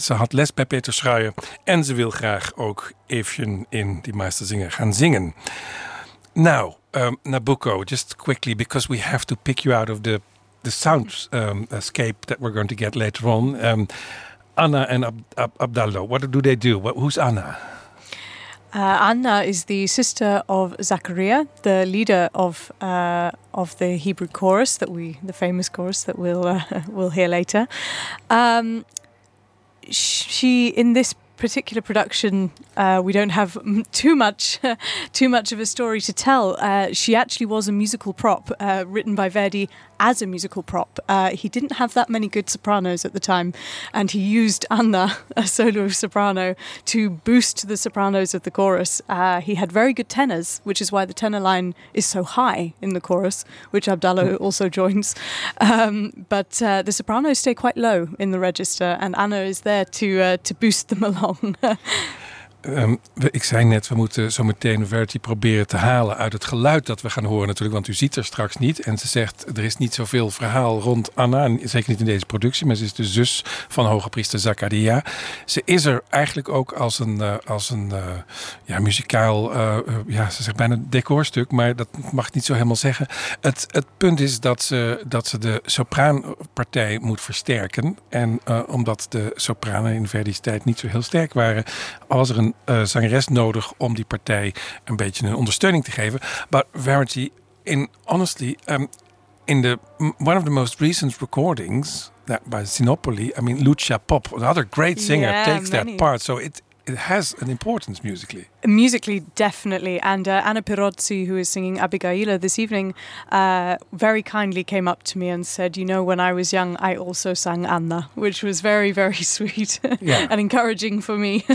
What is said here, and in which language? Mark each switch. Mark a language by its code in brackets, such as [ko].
[nl] Ze had les bij Peter Schreier en ze wil graag ook Eefje in die Meistersinger gaan zingen. [en] Now, Nabucco, just quickly, because we have to pick you out of the sound scape that we're going to get later on. Anna and Abdallo, what do they do? Who's Anna? Anna is the sister of Zachariah, the leader of the Hebrew chorus the famous chorus that we'll hear later. She in this particular production, we don't have too much of a story to tell. She actually was a musical prop written by Verdi as a musical prop. He didn't have that many good sopranos at the time, and he used Anna, a solo soprano, to boost the sopranos of the chorus. He had very good tenors, which is why the tenor line is so high in the chorus, which Abdallo also joins. But the sopranos stay quite low in the register, and Anna is there to boost them along. [nl] Ik zei net, we moeten zo meteen Verity proberen te halen uit het geluid dat we gaan horen natuurlijk, want u ziet er straks niet. En ze zegt, er is niet zoveel verhaal rond Anna, en zeker niet in deze productie, maar ze is de zus van hogepriester Zachariah. Ze is er eigenlijk ook als een muzikaal, ze zegt bijna decorstuk, maar dat mag ik niet zo helemaal zeggen. Het punt is dat ze de sopraanpartij moet versterken. En omdat de sopranen in Verdi's tijd niet zo heel sterk waren, was er een zangeres nodig om die partij een beetje een ondersteuning te geven. [en] But Verity, one of the most recent recordings that by Sinopoli, I mean Lucia Pop, another great singer, takes that part. So it has an importance musically. Musically, definitely. And Anna Pirozzi, who is singing Abigaila this evening, very kindly came up to me and said, you know, when I was young, I also sang Anna, which was very, very sweet and encouraging for me.